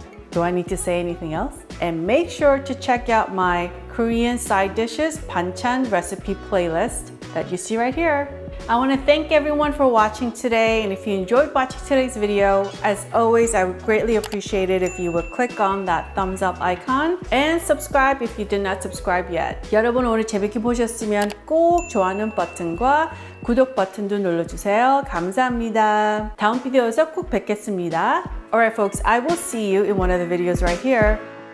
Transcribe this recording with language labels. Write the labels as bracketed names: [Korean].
[English] Do I need to say anything else? And make sure to check out my Korean side dishes banchan recipe playlist that you see right here. I want to thank everyone for watching today. And if you enjoyed watching today's video, as always, I would greatly appreciate it if you would click on that thumbs up icon and subscribe if you did not subscribe yet. [Korean] 여러분 오늘 재밌게 보셨으면 꼭 좋아요 버튼과 구독 버튼도 눌러주세요. 감사합니다. 다음 비디오에서 꼭 뵙겠습니다. [English] All right, folks, I will see you in one of the videos right here.